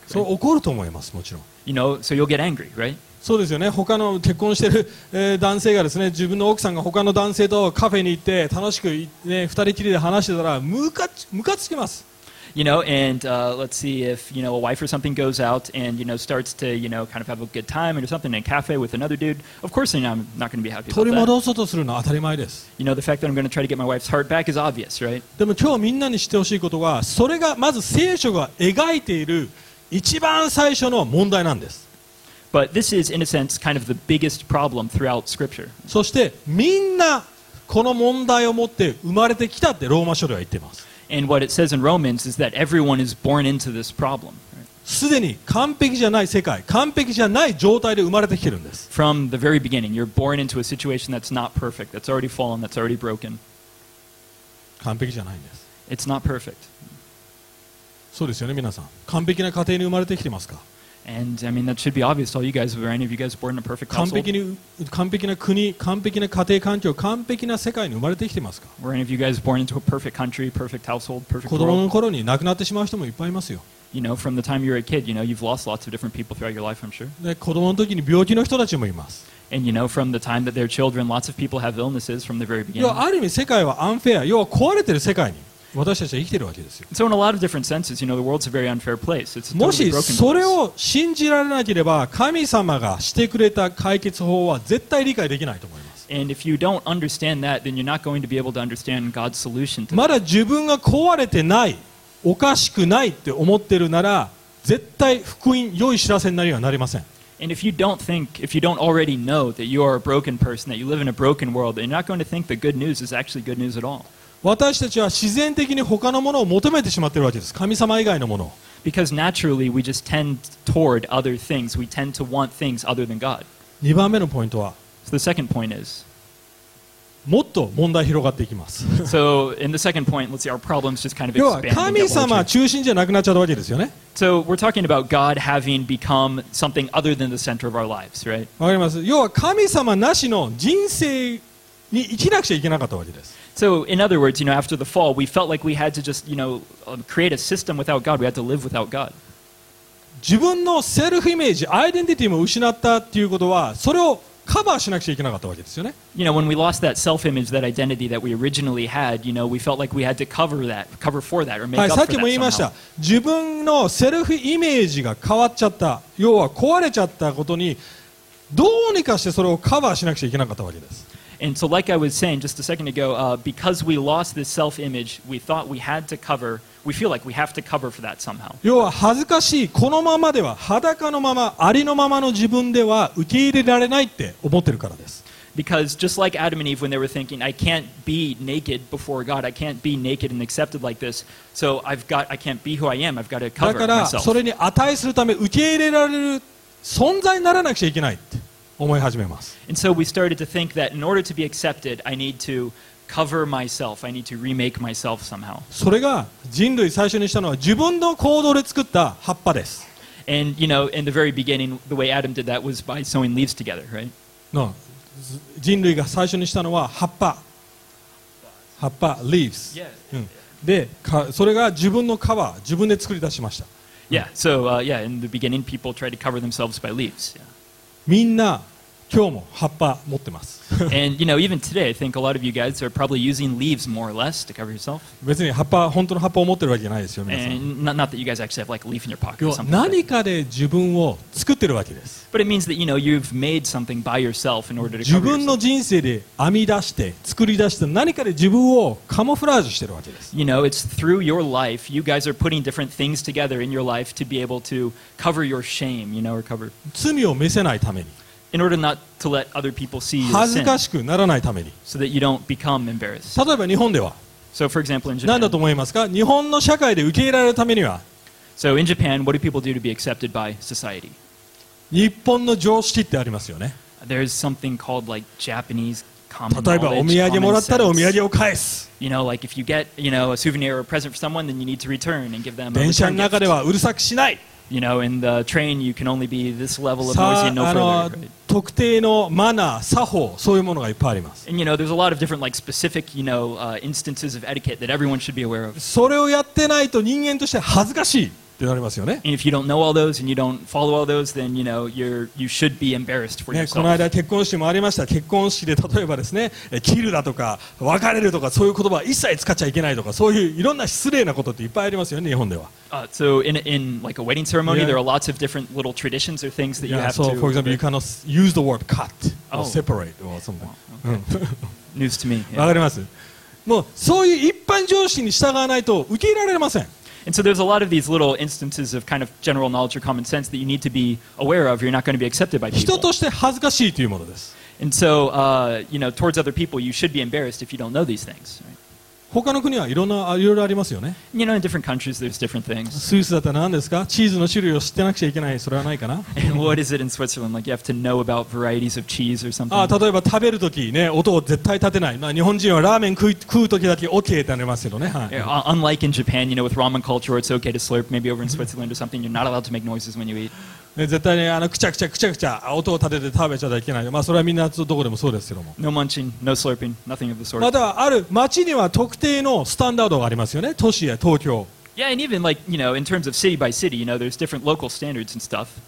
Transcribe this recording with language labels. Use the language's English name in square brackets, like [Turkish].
[Japanese] そう、怒ると思います、もちろん。 [English] You know, so you'll get angry, right? [Japanese] そうですよね。他の結婚してる、男性がですね、自分の奥さんが他の男性とカフェに行って楽しく、ね、二人きりで話してたらムカつきます。 [English] You know, and let's see if you know a wife or something goes out and you know starts to you know kind of have a good time or something in a cafe with another dude. Of course, I'm not going to be happy about that. [Japanese] 取り戻そうとするのは当たり前です。 [English] You know, the fact that I'm going to try to get my wife's heart back is obvious, right? [Japanese] でも今日みんなに知ってほしいことは、それがまず聖書が描いている一番最初の問題なんです。 [English] But this is, in a sense, kind of the biggest problem throughout Scripture. [Japanese] そしてみんなこの問題を持って生まれてきたってローマ書では言ってます。 [English] And what it says in Romans is that everyone is born into this problem. [Japanese] すでに完璧じゃない世界、完璧じゃない状態で生まれてきてるんです。 [English] From the very beginning, you're born into a situation that's not perfect, that's already fallen, that's already broken. [Japanese] 完璧じゃないんです。 [English] It's not perfect. [Japanese] そうですよね、皆さん。完璧な家庭に生まれてきてますか? [English] And I mean that should be obvious to all you guys. Were any of you guys born in a perfect household? [Japanese] 完璧な国、完璧な家庭環境、完璧な世界に生まれてきてますか? [English] Were any of you guys born into a perfect country, perfect household, perfect world? [Japanese] 子供の頃に亡くなってしまう人もいっぱいいますよ。 [English] You know, from the time you were a kid, you know, you've lost lots of different people throughout your life, I'm sure. [Japanese] で、子供の時に病気の人たちもいます。 [English] And you know, from the time that they're children, lots of people have illnesses from the very beginning. [Japanese] 要はある意味世界はアンフェア、要は壊れてる世界に。私たちは生きているわけですよ。 [English] So in a lot of different senses, you know, the world's a very unfair place. It's a totally broken place. [Japanese] もしそれを信じられなければ、神様がしてくれた解決法は絶対理解できないと思います。 [English] And if you don't understand that, then you're not going to be able to understand God's solution to that. [Japanese] まだ自分が壊れてない、おかしくないって思ってるなら、絶対福音、良い知らせになりはなりません。 [English] And if you don't think, if you don't already know that you are a broken person, that you live in a broken world, then you're not going to think the good news is actually good news at all. [Japanese] 私たちは自然的に他のものを求めてしまっているわけです。神様以外のものを。 [English] Because naturally we just tend toward other things. We tend to want things other than God. [Japanese] 2番目のポイントは。 [English] So the second point is. [Japanese] もっと問題広がっていきます。 [English] So in the second point, let's see, our problems just kind of expand. [Japanese] 要は神様は中心じゃなくなっちゃうわけですよね。 [English] So we're talking about God having become something other than the center of our lives, right? [Japanese] わかります。要は神様なしの人生に生きなくちゃいけなかったわけです。 [English] So in other words, you know, after the fall, we felt like we had to just, you know, create a system without God. We had to live without God. [Japanese] 自分のセルフイメージ、アイデンティティも失ったっていうことは、それをカバーしなくちゃいけなかったわけですよね。 [English] You know, when we lost that self-image, that identity that we originally had, you know, we felt like we had to cover for that, or make up for that somehow. [Japanese] さっきも言いました。自分のセルフイメージが変わっちゃった、要は壊れちゃったことに、どうにかしてそれをカバーしなくちゃいけなかったわけです。 [English] And so like I was saying just a second ago, because we lost this self-image, we thought we had to cover, we feel like we have to cover for that somehow. [Japanese] 要は恥ずかしい、このままでは、裸のまま、ありのままの自分では受け入れられないって思ってるからです。 [English] Because just like Adam and Eve when they were thinking, I can't be naked before God, I can't be naked and accepted like this, so I can't be who I am, I've got to cover myself. [Japanese] だからそれに値するため受け入れられる存在にならなくちゃいけないって。思い始めます。 [English] And so we started to think that in order to be accepted, I need to cover myself. I need to remake myself somehow. [Japanese] それが人類最初にしたのは自分の行動で作った葉っぱです。 [English] And you know, in the very beginning, the way Adam did that was by sewing leaves together, right? No. [Japanese] 人類が最初にしたのは葉っぱ。葉っぱ、leaves. [English] Yeah. [Japanese] で、それが自分の皮、自分で作り出しました。 [English] Yeah. So, yeah, in the beginning, people tried to cover themselves by leaves. Yeah. [Japanese] みんな今日も葉っぱ持ってます。 [English] And you know, even today, I think a lot of you guys are probably using leaves more or less to cover yourself. [Japanese] 別に葉っぱ、本当の葉っぱを持ってるわけじゃないですよ、皆さん。 [English] And not that you guys actually have like a leaf in your pocket or something. [Japanese] 何かで自分を作ってるわけです。 [English] But it means that you know you've made something by yourself in order to cover yourself. [Japanese] 自分の人生で編み出して作り出した何かで自分をカモフラージュしてるわけです。 [English] You know, it's through your life, you guys are putting different things together in your life to be able to cover your shame, you know, or cover [Japanese] 罪を見せないために。 [English] in order not to let other people see your sin, so that you don't become embarrassed. So, for example, in Japan, [Japanese] 何だと思いますか? 日本の社会で受け入れられるためには? [English] So, in Japan, what do people do to be accepted by society? [Japanese] 日本の常識ってありますよね? [English] There's something called like Japanese common knowledge. [Japanese] 例えばお土産もらったらお土産を返す。 [English] You know, like if you get, you know, a souvenir or a present for someone, then you need to return and give them a return gift. [Japanese] 電車の中ではうるさくしない。 [English] You know, in the train, you can only be this level of noisy and no further. [Japanese] 特定のマナー、作法、そういうものがいっぱいあります。 [English] And you know, there's a lot of different, like, specific, you know, instances of etiquette that everyone should be aware of. [Japanese] それをやってないと人間として恥ずかしいってなりますよね。 [English] And if you don't know all those and you don't follow all those, then, you know, you should be embarrassed for yourself. [Japanese] ね、この間結婚式もありました。結婚式で例えばですね、切るだとか、別れるとか、そういう言葉は一切使っちゃいけないとか、そういういろんな失礼なことっていっぱいありますよね、日本では。 [English] So in like a wedding ceremony, there are lots of different little traditions or things that you have to. Yeah, so for example, you cannot use the word cut or separate or something. Okay. News to me. [Japanese] わかります。もうそういう一般常識に従わないと受け入れられません。 [English] And so there's a lot of these little instances of kind of general knowledge or common sense that you need to be aware of. You're not going to be accepted by people. [Japanese] 人として恥ずかしいというものです。 [English] And so, you know, towards other people, you should be embarrassed if you don't know these things. Right? [Japanese] 他の国はいろんな、いろいろありますよね。 [English] You know, in different countries, there's different things. [Japanese] スイスだったら何ですか?チーズの種類を知ってなくちゃいけない、それはないかな? [English] And what is it in Switzerland? Like, you have to know about varieties of cheese or something. [Japanese] 例えば食べるとき、ね、音を絶対立てない。まあ、日本人はラーメン食うときだけ OK ってなりますけどね。はい、 [English] yeah, unlike in Japan, you know, with ramen culture, it's okay to slurp. Maybe over in Switzerland or something, you're not allowed to make noises when you eat. [Japanese] 絶対にくちゃくちゃくちゃくちゃ音を立てて食べちゃいけない。まあそれはみんなどこでもそうですけども。 [English] No munching, no slurping, nothing of the sort. [Japanese] またある町には特定のスタンダードがありますよね。都市や東京。 [English] Yeah, and even like, you know, in terms of city by city, you know, there's different local standards and stuff.